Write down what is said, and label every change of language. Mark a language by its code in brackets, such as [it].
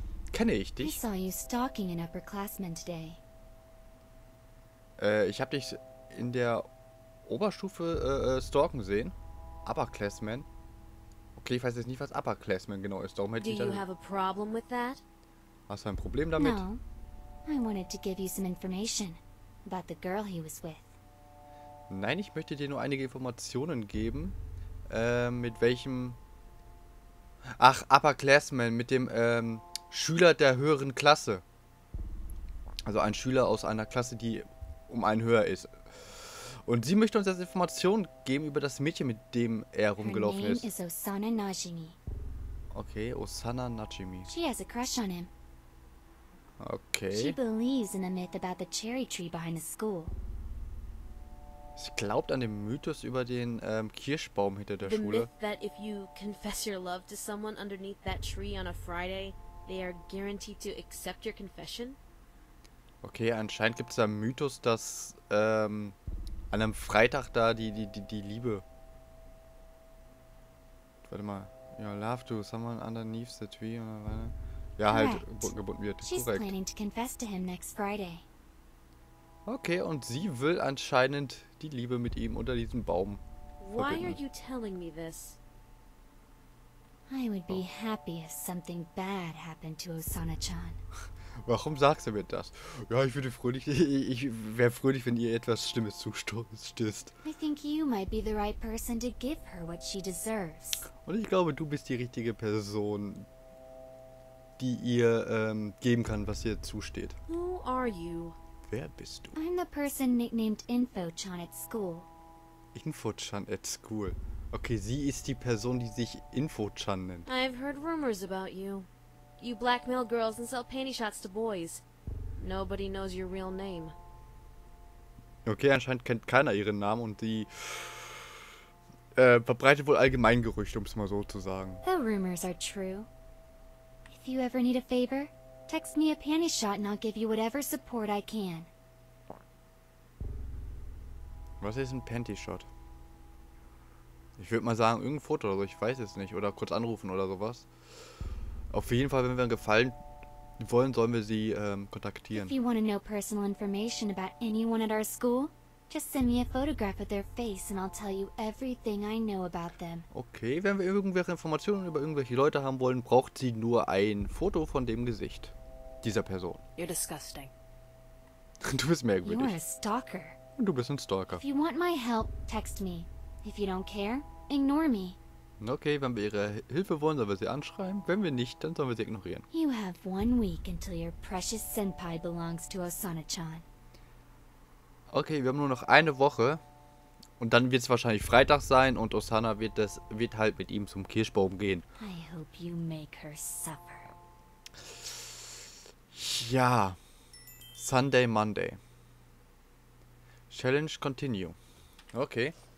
[de] Kenne ich dich? [en] I saw you stalking an upperclassman today. [de] Ich habe dich in der Oberstufe stalken sehen. Upperclassman. Okay, ich weiß jetzt nicht, was Upperclassman genau ist. Darum hätte [en] Do [de] ich [en] you have a problem with that? [de] Hast du ein Problem damit? [en] No. I wanted to give you some information about the girl he was with. [de] Nein, ich möchte dir nur einige Informationen geben. Mit welchem? Ach, Upperclassman, mit dem Schüler der höheren Klasse. Also ein Schüler aus einer Klasse, die um einen höher ist. Und sie möchte uns jetzt Informationen geben über das Mädchen, mit dem er rumgelaufen ist. [en] Her name is Osana Najimi. Okay, Osana Najimi. She has a crush on him. Okay. She believes in the myth about the cherry tree behind the school. [de] Sie glaubt an den Mythos über den Kirschbaum hinter der Schule. [en] The myth that if you confess your love to someone underneath that tree on a Friday, they are guaranteed to accept your confession? [de] Okay, anscheinend gibt es da einen Mythos, dass an einem Freitag da die Liebe. Warte mal. [en] You love to someone underneath the tree on a Friday. [de] Ja, halt, gebunden wird. [en] She's [de] korrekt. [en] Planning to confess to him next Friday. [de] Okay, und sie will anscheinend die Liebe mit ihm unter diesem Baum. [en] Why are you telling me this? I would be happy if something bad happened to Osana-chan. [de] Warum sagst du mir das? Ja, ich würde fröhlich. Ich wäre fröhlich, wenn ihr etwas Schlimmes zustößt. [en] I think you might be the right person to give her what she deserves. [de] Und ich glaube, du bist die richtige Person, die ihr geben kann, was ihr zusteht. [en] Who are you? [de] Wer bist du? [en] I'm the person nicknamed Info-chan at school. Info-chan at school. [de] Okay, sie ist die Person, die sich Info-chan nennt. [en] I've heard rumors about you. You blackmail girls and sell panty shots to boys. Nobody knows your real name. [de] Okay, anscheinend kennt keiner ihren Namen und sie verbreitet wohl Allgemeingerüchte, um es mal so zu sagen. [en] The rumors are true. If you ever need a favor, text me a panty shot and I'll give you whatever support I can. [de] Was ist ein panty shot? Ich würde mal sagen, irgendein Foto oder so, ich weiß es nicht. Oder kurz anrufen oder sowas. Auf jeden Fall, wenn wir einen Gefallen wollen, sollen wir sie kontaktieren. [en] If you want to know personal information about anyone at our school, just send me a photograph of their face and I'll tell you everything I know about them. [de] Okay, wenn wir irgendwelche Informationen über irgendwelche Leute haben wollen, braucht sie nur ein Foto von dem Gesicht dieser Person. [en] You're disgusting. [de] Du bist merkwürdig. [en] You're a stalker. [de] Und du bist ein Stalker. [en] If you want my help, text me. If you don't care, ignore me. [de] Okay, wenn wir ihre Hilfe wollen, sollen wir sie anschreiben. Wenn wir nicht, dann sollen wir sie ignorieren. [en] You have 1 week until your precious senpai belongs to Osana-chan. [de] Okay, wir haben nur noch eine Woche. Und dann wird es wahrscheinlich Freitag sein und Osana wird halt mit ihm zum Kirschbaum gehen. [en] I hope you make her suffer. Ja. Sunday, Monday. Challenge continue. Okay.